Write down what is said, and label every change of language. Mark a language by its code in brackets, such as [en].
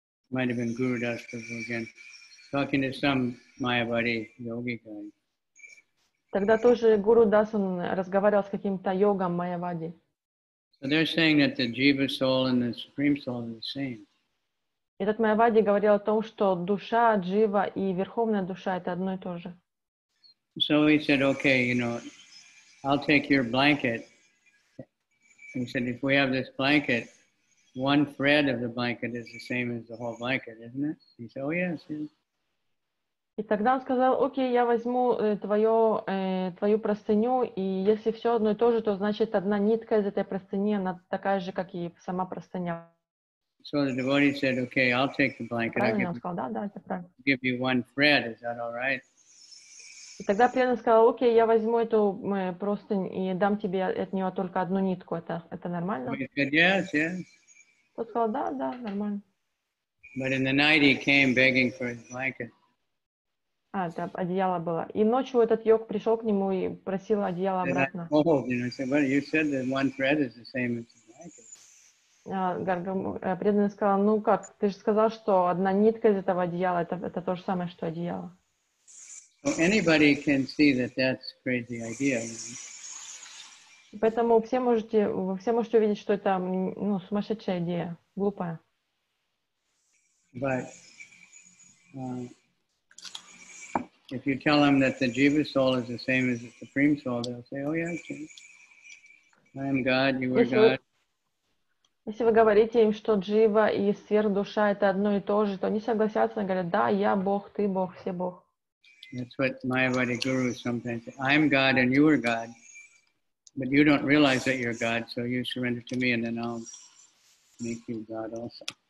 [en] Might have been Guru Das Prabhu again, talking to some Mayavadi yogi guy. [ru] Тогда тоже Гуру Дас он разговаривал с каким-то йогом Майявади. [en] So they're saying that the jiva soul and the supreme soul are the same. [ru] Этот Майявади говорил о том, что душа, джива и верховная душа это одно и то же. [en] So he said, okay, you know, I'll take your blanket. He said, if we have this blanket, one thread of the blanket is the same as the whole blanket, isn't it? He said, oh, yes, yes. [ru] И тогда он сказал, окей, я возьму твою простыню, и если все одно и то же, то значит одна нитка из этой простыни, она такая же, как и сама простыня. [en] So the devotee said, okay, I'll take the blanket. [ru] Правильно, он сказал, да, это правильно. [en] Give you one thread, is that all right? [ru] И тогда преданный сказал, окей, я возьму эту простынь и дам тебе от нее только одну нитку. Это нормально? [en] Said, yes, yes. [ru] Тот сказал, да, да, нормально. [en] But in the night he came begging for his blanket. [ru] А, да, одеяло было. И ночью этот йог пришел к нему и просил одеяло обратно. [en] I told, you know, I said, well, you said that one thread is the same as the blanket. [ru] Преданный сказал, ну как, ты же сказал, что одна нитка из этого одеяла, это то же самое, что одеяло. [en] So anybody can see that that's a crazy idea. [ru] Поэтому вы все можете увидеть, что это, ну, сумасшедшая идея, глупая. [en] But if you tell them that the jiva soul is the same as the supreme soul, they'll say, "Oh yeah, okay. I am God, you are God." [ru] Если вы говорите им, что джива и сверхдуша это одно и то же, то они согласятся и говорят: "Да, я Бог, ты Бог, все Бог." [en] That's what Mayavadi guru sometimes say. I am God and you are God. But you don't realize that you're God, so you surrender to me, and then I'll make you God also.